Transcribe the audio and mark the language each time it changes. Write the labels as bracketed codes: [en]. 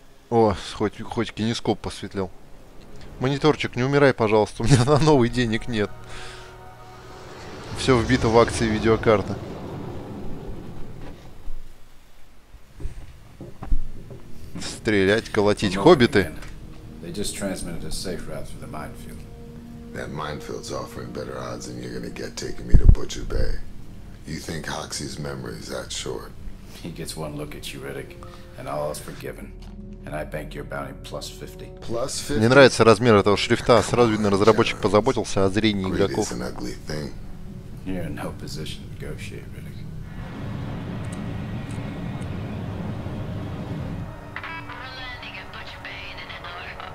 [ru] О, хоть кинескоп посветлел. Мониторчик, не умирай, пожалуйста, у меня на новый денег нет. Все вбито в акции видеокарты. Стрелять, колотить, хоббиты. [en] They just transmitted a safe route through the minefield. That minefield's offering better odds than you're gonna get taking me to Butcher Bay. You think Hoxie's memory is that short? He gets one look at you, Riddick, and all is forgiven. And I bank your bounty plus 50. Plus 50? [ru] Мне нравится размер этого шрифта. Сразу видно, разработчик позаботился о зрении игроков. [en] Greed is an ugly thing. You're in no position to negotiate, Riddick. We're landing at Butcher Bay in an hour.